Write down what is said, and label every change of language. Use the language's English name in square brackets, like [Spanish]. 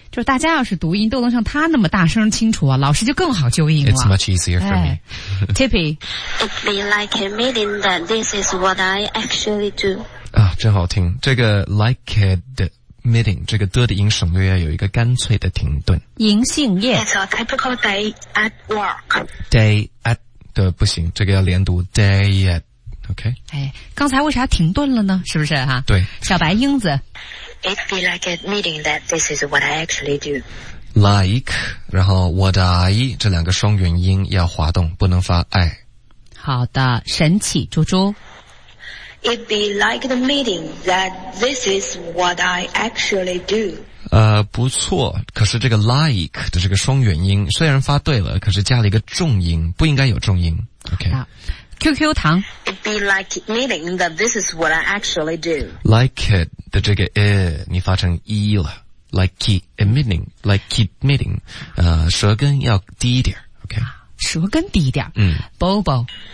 [Chinese] 就是大家要是读音都能像他那么大声清楚啊老师就更好纠音了 [English] It's much easier for me Tippy It'd be like admitting that this is what I actually do [Chinese] 啊，真好听这个 like kid admitting 这个的音省略有一个干脆的停顿银杏叶 [English] It's a typical day at work [Chinese] Day at 的不行这个要连读 day atOK，哎，刚才为啥停顿了呢？是不是哈、啊？对，小白英子。 [English] It'd be like admitting that this is what I actually do. [Chinese] Like， 然后 what I 这两个双元音要滑动，不能发 I。好的，神起猪猪。 [English] It'd be like admitting that this is what I actually do. [Chinese] 不错，可是这个 like 的这个双元音虽然发对了，可是加了一个重音，不应该有重音。 [English] OK。 [Chinese] QQ 糖 [English] It'd be like admitting that this is what I actually do. [Chinese] Like it 的这个 i 你发成 e 了 [English] Like admitting [Chinese] 舌根要低一点 OK 舌根低一点嗯 [English] Bobo